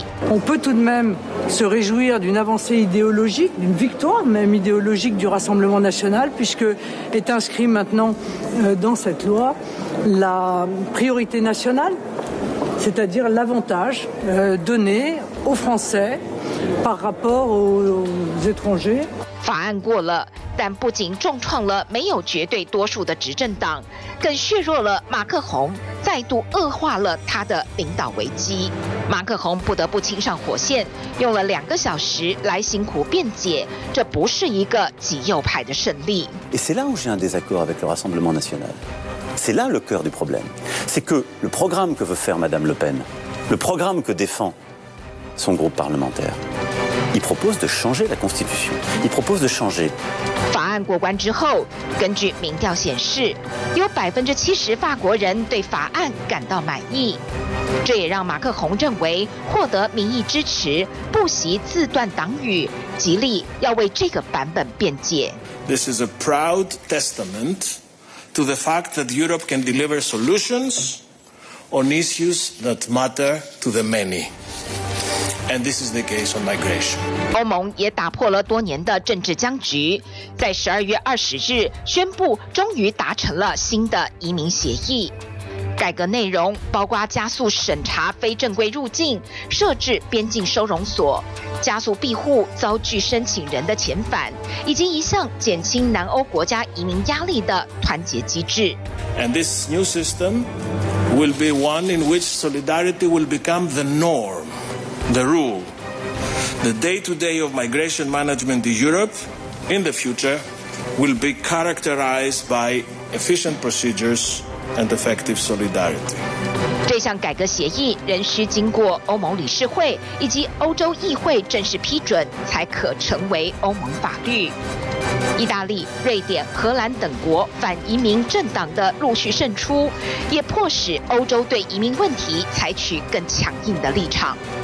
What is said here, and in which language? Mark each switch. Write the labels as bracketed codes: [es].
[fr] On peut tout de même se réjouir d'une avancée idéologique, d'une victoire même idéologique du Rassemblement national, puisque est inscrit maintenant dans cette loi la priorité nationale, c'est-à-dire l'avantage donné aux Français par rapport aux étrangers. [zh] 法案过了，但不仅重创了没有绝对多数的执政党，更削弱了马克宏，再度恶化了他的领导危机。马克宏不得不亲上火线，用了2个小时来辛苦辩解，这不是一个极右派的胜利。 [fr] Et c'est là où j'ai un désaccord avec le Rassemblement National. C'est là le cœur du problème. C'est que le programme que veut faire Madame Le Pen, le programme que défend son groupe parlementaire. Il propose de changer la Constitution. Il propose de changer. [zh] 法案过关之后，根据民调显示，有70%法国人对法案感到满意。这也让马克宏认为获得民意支持，不惜自断党羽，极力要为这个版本辩解。 [en] This is a proud testament to the fact that Europe can deliver solutions on issues that matter to the many. And this is the case on migration. [zh] 欧盟也打破了多年的政治僵局，在12月20日宣布终于达成了新的移民协议。改革内容包括加速审查非正规入境，设置边境收容所，加速庇护遭拒申请人的遣返，以及一项减轻南欧国家移民压力的团结机制。 [en] And this new system will be one in which solidarity will become the norm, the rule. The day-to-day of migration management in Europe in the future will be characterized by efficient procedures. And effective solidarity. [zh] 这项改革协议仍需经过欧盟理事会以及欧洲议会正式批准，才可成为欧盟法律。意大利、瑞典、荷兰等国反移民政党的陆续胜出，也迫使欧洲对移民问题采取更强硬的立场。